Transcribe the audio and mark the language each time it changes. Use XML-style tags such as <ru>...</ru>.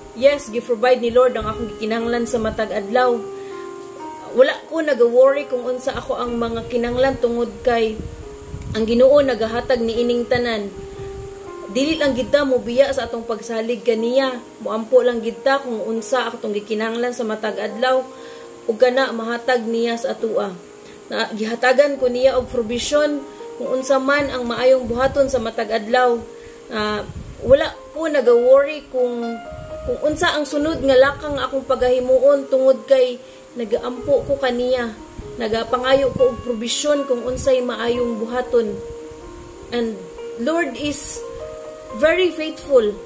<ceb>Yes, gi-provide ni Lord ang akong kinahanglan sa matag adlaw. Wala ko nag-worry kung unsa ako ang mga kinahanglan tungod kay ang Ginoo nagahatag ni ining tanan. Dili lang gita mo biya sa atong pagsalig kaniya. Muampo lang gita kung unsa akong gikinahanglan sa matag adlaw. Uga na mahatag niya sa atua. Na gihatagan ko niya og provision kung unsa man ang maayong buhaton sa matag adlaw. Wala ko nag-worry kung unsa ang sunod nga lakang akong pagahimuon tungod kay nagaampo ko kaniya. Nagapangayo ko og provision kung unsay maayong buhaton.</ceb> <en>And Lord is very faithful.</en>